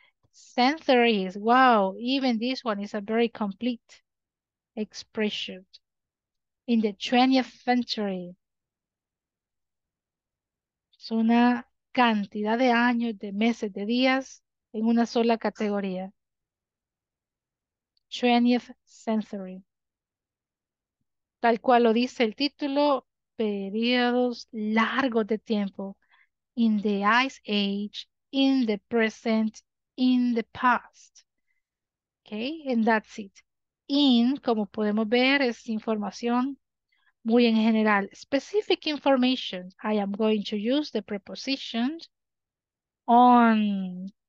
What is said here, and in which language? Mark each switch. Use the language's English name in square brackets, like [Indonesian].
[English] Centuries, wow, even this one is a very complete expression. In the 20th century. [Spanish] Es una cantidad de años, de meses, de días, en una sola categoría. [English] 20th century. [Spanish] Tal cual lo dice el título, periodos largos de tiempo. [English] In the Ice Age, in the present, in the past. Okay, and that's it. [Spanish] In, como podemos ver, es información muy en general. [English] Specific information. I am going to use the prepositions on.